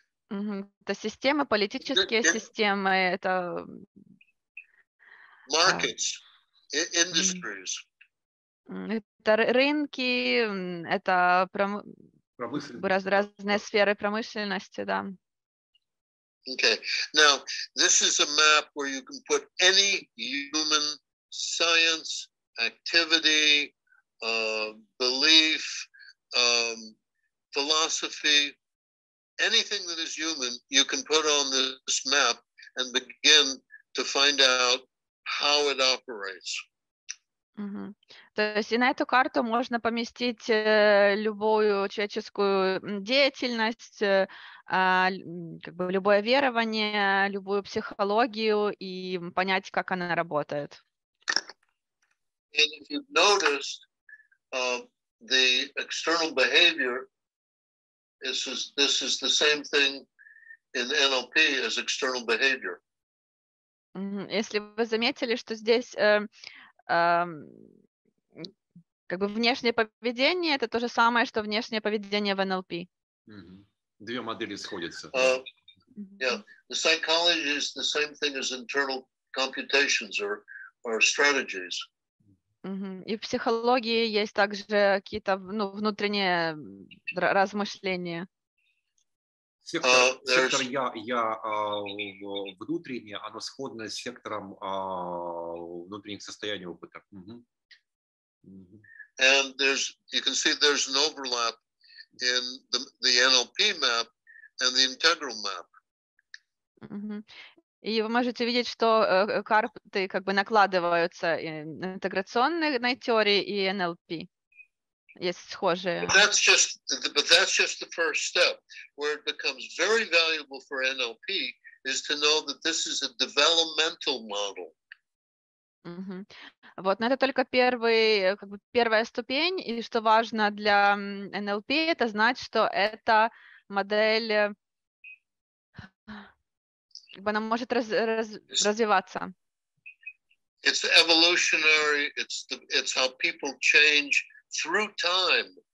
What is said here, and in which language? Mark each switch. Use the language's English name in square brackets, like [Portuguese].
[Russian] Это системы, политические системы, это... [English] Markets, industries. [Russian] Это рынки, это разные сферы промышленности, да. [English] Okay, now, this is a map where you can put any human science activity, belief, philosophy, anything that is human, you can put on this map and begin to find out how it operates. [Russian] То есть и на эту карту можно поместить любую человеческую деятельность, как бы любое верование, любую психологию и понять, как она работает. [English] And if you've noticed, the external behavior, this is the same thing in NLP as external behavior. [Russian] Если вы заметили, что здесь как бы внешнее поведение, это то же самое, что внешнее поведение в NLP. Mm-hmm. Две модели сходятся. [English] The psychology is the same thing as internal computations or strategies. [Russian] И в психологии есть также какие-то внутренние размышления. Сектор я внутреннее, оно сходно с сектором внутренних состояний опыта. Mm-hmm. Mm-hmm. [English] And there's, you can see there's an overlap in the NLP map and the integral map. Mm-hmm. [Russian] И вы можете видеть, что карты как бы накладываются интеграционной теории и NLP. Есть схожие. [English] But that's just the first step. Where it becomes very valuable for NLP is to know that this is a developmental model. Mm-hmm. [Russian] Вот, но это только первая ступень. И что важно для NLP, это знать, что это модель... Она может развиваться. [English] It's evolutionary. It's how people change through time.